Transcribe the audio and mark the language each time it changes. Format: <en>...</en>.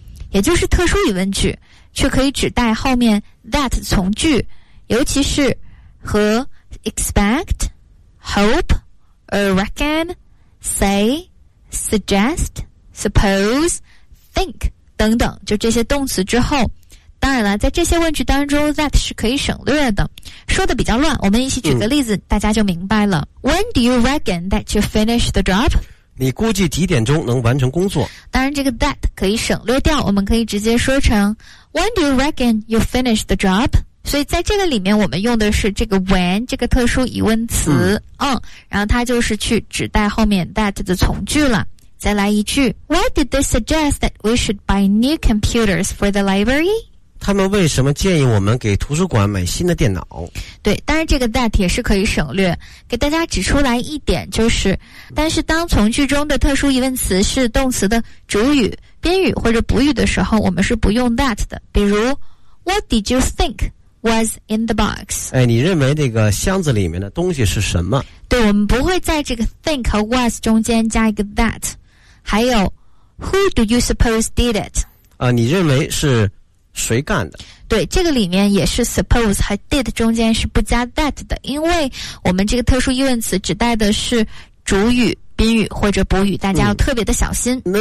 <zh>也就是特殊疑问句，却可以指代后面 that 从句，尤其是和 expect, hope, reckon, say, suggest, suppose, think 等等，就这些动词之后。当然了，在这些问句当中 that 是可以省略的，说的比较乱，我们一起举个例子、嗯、大家就明白了。</zh> <en>When do you reckon that you finish the job?</en> <zh>你估计几点钟能完成工作。当然这个 that 可以省略掉，我们可以直接说成</zh> <en>When do you reckon you finish the job?</en> <zh>所以在这个里面我们用的是这个 when 这个特殊疑问词 然后它就是去指代后面 that 的从句了。再来一句，</zh> <en>Why did they suggest that we should buy new computers for the library?</en> <zh>他们为什么建议我们给图书馆买新的电脑？对，当然这个 that 也是可以省略。给大家指出来一点，就是但是当从句中的特殊疑问词是动词的主语、宾语或者补语的时候，我们是不用 that 的。比如</zh> <en>What did you think was in the box?</en> <zh>哎，你认为这个箱子里面的东西是什么？对，我们不会在这个 think 和 was 中间加一个 that。还有</zh> <en>Who do you suppose did it?</en> <zh>啊，你认为是谁干的？对，这个里面也是 suppose 和 did 中间是不加 that 的，因为我们这个特殊疑问词指代的是主语、宾语或者补语，大家要特别的小心、嗯、</zh>